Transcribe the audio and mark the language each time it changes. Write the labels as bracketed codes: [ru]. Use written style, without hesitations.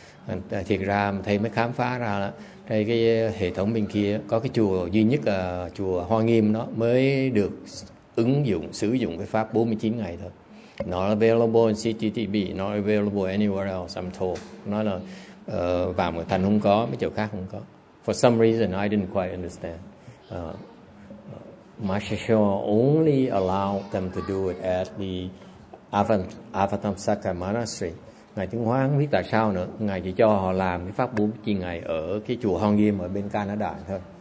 [vi] And thiệt ra thầy mới khám phá ra là thầy cái hệ thống bên kia có cái chùa duy nhất là chùa Hoa Nghiêm đó mới được ứng dụng, sử dụng cái pháp 49 ngày thôi. [en] Not available in CTTB, not available anywhere else, I'm told. [vi] Nói là vào một thành không có, mấy chỗ khác không có. [en] For some reason, I didn't quite understand. Master Shaw only allowed them to do it at the Avatamsaka Monastery. [vi] Ngài Tiếng Hóa không biết tại sao nữa, Ngài chỉ cho họ làm cái pháp 49 ngày ở cái chùa Hoa Nghiêm ở bên Canada thôi.